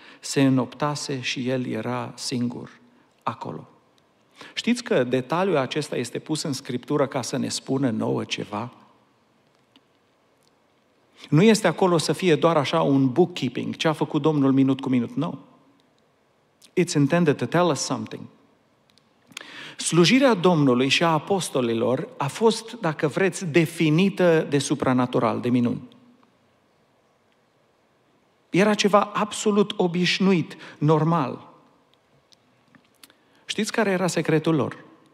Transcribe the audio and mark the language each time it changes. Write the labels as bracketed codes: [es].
[ro] Se înoptase și El era singur acolo. Știți că detaliul acesta este pus în Scriptură ca să ne spună nouă ceva? Nu este acolo să fie doar așa un bookkeeping, ce a făcut Domnul minut cu minut, nu. [en] It's intended to tell us something. [ro] Slujirea Domnului și a apostolilor a fost, dacă vreți, definită de supranatural, de minuni. Era ceva absolut obișnuit, normal. Știți care era secretul lor?